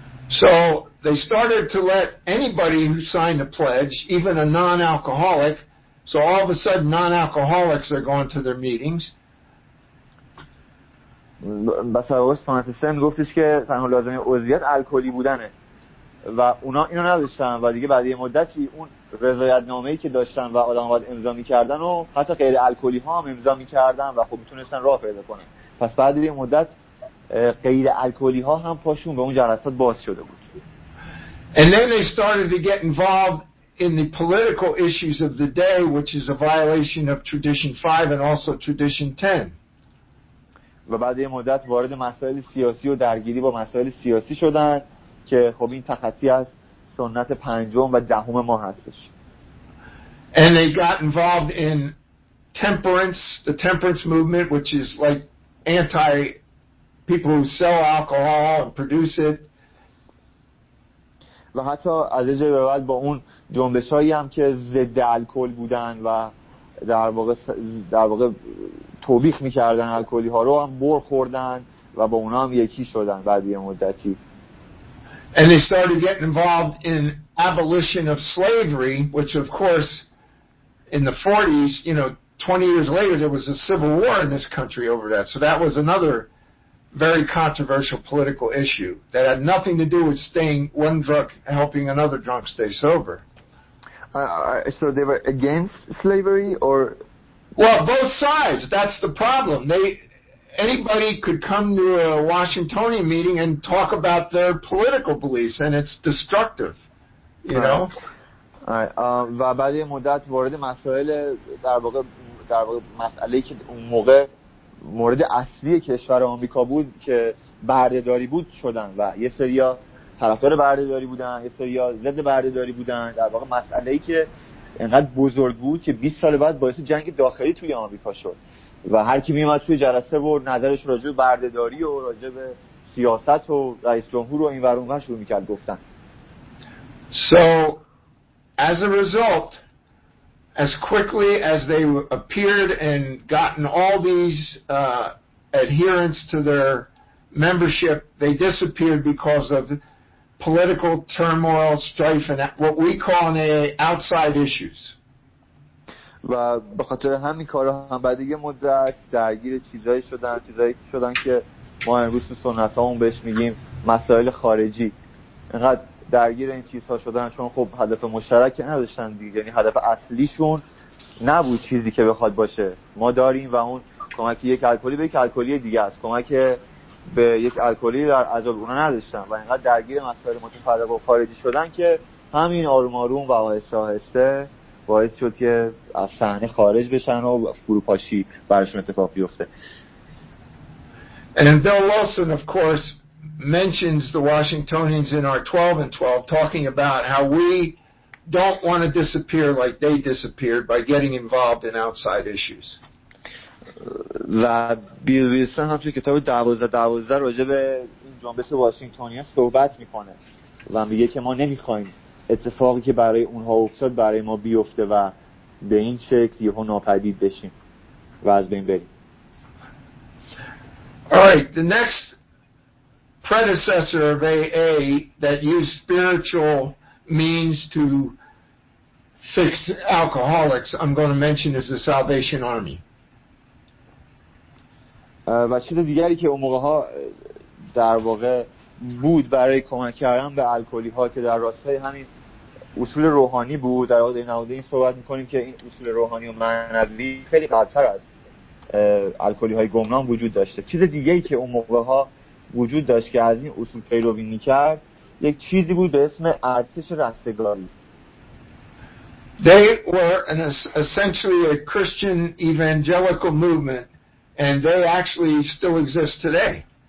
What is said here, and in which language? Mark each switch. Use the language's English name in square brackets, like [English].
[English] So they started to let anybody who signed a pledge, even a non-alcoholic, so all of a sudden non-alcoholics are going to their meetings. [Persian] بسرورس سنت سن گفتش که تنها لازمه عضویت الکلی بودنه و اونا اینو نداشتن و دیگه بعد یه مدتی اون رضایت نامه‌ای که داشتن و آدم ها باید امضا میکردن و حتی غیر الکلی ها هم امضا میکردن و خب میتونستن راه پیدا کنن. پس بعد یه مدت غیر الکلی ها هم پاشون به اون جلسات باز شده بود. [English] And then they started to get involved in the political issues of the day, which is a violation of tradition 5 and also tradition 10. [Persian] و بعد یه مدت وارد مسائل سیاسی و درگیری با مسائل سیاسی شدن که خب این تخطی از سنت پنجم و دهم ما هستش. [English] And they got involved in temperance, the temperance movement, which is like anti people who sell alcohol and produce it. [Persian] و حتی از یه جایی به بعد با اون جنبش‌هایی هم که ضد الکل بودن و در واقع توبیخ می‌کردن الکلی‌ها رو هم بر خوردن و با اونا هم یکی شدن بعد یه مدتی. [English] And they started getting involved in abolition of slavery, which of course in the 40s, you know, 20 years later there was a civil war in this country over that. So that was another very controversial political issue that had nothing to do with staying one drunk helping another drunk stay sober. So they were against slavery or? Well, both sides. That's the problem. Anybody could come to a Washingtonian meeting and talk about their political beliefs, and it's destructive, you know. [Persian] و بعد یه مدت وارد مسائل در واقع مسئله‌ای که اون موقع مورد اصلی کشور آمریکا بود که برده‌داری بود شدن و یه سری ها طرفدار برده‌داری بودن، یه سری ها ضد برده‌داری بودن. در واقع مسئله‌ای که انقدر بزرگ بود که 20 سال بعد باعث جنگ داخلی توی آمریکا شد و هر کی میومد توی جلسه بود نظرش راجع به بردهداری و راجع به سیاست و رئیس جمهور و این ور اون ور شروع میکرد گفتن. [English] So as a result, as quickly as they appeared and gotten all these adherents to their membership, they disappeared because of political turmoil, strife, and what we call an outside issues. [Persian] و به خاطر همین کارا هم بعد یه مدت درگیر چیزایی شدن که ما امروز تو سنت هامون بهش میگیم مسائل خارجی. انقدر درگیر این چیزها شدن چون خب هدف مشترک نداشتن دیگه، یعنی هدف اصلیشون نبود چیزی که بخواد باشه ما داریم و اون کمک یک الکلی به یک الکلی دیگه است، کمک به یک الکلی در عذاب اونا نداشتن و انقدر درگیر مسائل متفرق و خارجی شدن که همین آروم آروم و آهسته آهسته باعث شد که از صحنه خارج بشن و فروپاشی برشون اتفاق بیفته. [English] And Bill Wilson of course mentions the Washingtonians in our 12 and 12 talking about how we don't want to disappear like they disappeared by getting involved in outside issues. [Persian] و بیل ویلسون هم توی کتاب 12-12 راجع به این جنبش واشنگتنی ها صحبت میکنه و میگه که ما نمیخوایم اتفاقی که برای اونها افتاد برای ما بیفته و به این شکل یهو ناپدید بشیم و از بین بریم. [English] All right, the next predecessor of AA that used spiritual means to fix alcoholics, I'm going to mention, is the Salvation Army. [Persian] و چیز دیگری که اون موقع ها در واقع بود برای کمک کردن به الکلی ها که در راستای همین اصول روحانی بود، در واقع این حوزه این صحبت میکنیم که این اصول روحانی و معنوی خیلی قدتر از الکلی های گمنام وجود داشته. چیز دیگه ای که اون موقع ها وجود داشت که از این اصول پیروی میکرد یک چیزی بود به اسم ارتش رستگاری. [English] They were essentially a Christian evangelical movement and they actually still exist today.